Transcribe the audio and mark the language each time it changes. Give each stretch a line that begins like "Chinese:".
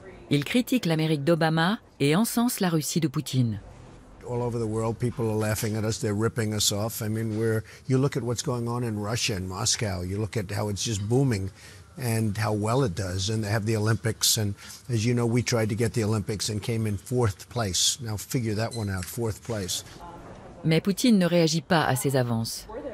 French: Il critique l'Amérique d'Obama et encense la Russie de Poutine.
English: All over the world, people are laughing at us. They're ripping us off. I mean, you look at what's going on in Russia and Moscow. You look at how it's just booming and how well it does. And they have the Olympics. And as you know, we tried to get the Olympics and came in fourth place. Now figure that one out, fourth place.
French: Mais Poutine ne réagit pas à ces avances.